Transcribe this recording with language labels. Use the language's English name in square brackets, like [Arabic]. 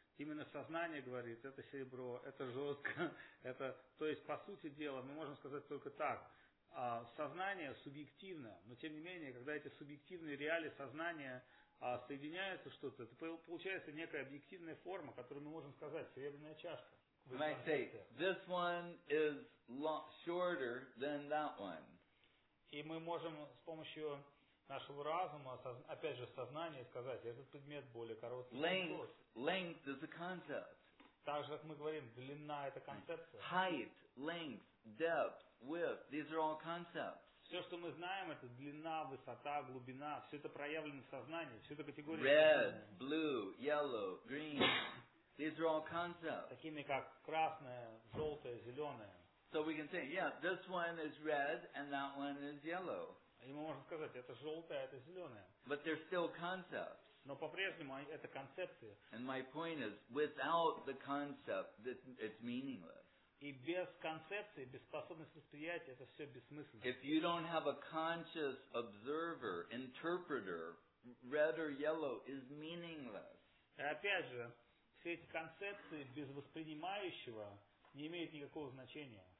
[Russian] Именно сознание говорит, это серебро, это жестко. Это... То есть, по сути дела, мы можем сказать только так. Сознание субъективно, но тем не менее, когда эти субъективные реалии сознания соединяются что-то, это получается некая объективная форма, которую мы можем сказать, серебряная чашка. [English] You might say, this one is shorter than that one. [Russian] И мы можем с помощью нашего разума, опять же, сознания сказать, этот предмет более короткий. [English] Length is a concept. [Russian] Так же, как мы говорим, длина – это концепция. [English] Height, length, depth, width – these are all concepts. [Russian] Все, что мы знаем, это длина, высота, глубина. Все это проявлено в сознании, все это категория. [English] Red, blue, yellow, green – these are all concepts. [Russian] Такими как красное, желтое, зеленое. [English] So we can say, yeah, this one is red and that one is yellow. [Russian] И мы можем сказать, это желтое, это зеленое. [English] But they're still concepts. [Russian] Но по-прежнему это концепции. [English] And my point is, without the concept, it's meaningless. [Russian] И без концепции, без способности восприятия, это все бессмысленно. [English] If you don't have a conscious observer, interpreter, red or yellow is meaningless. [Russian] И опять же, все эти концепции без воспринимающего не имеют никакого значения.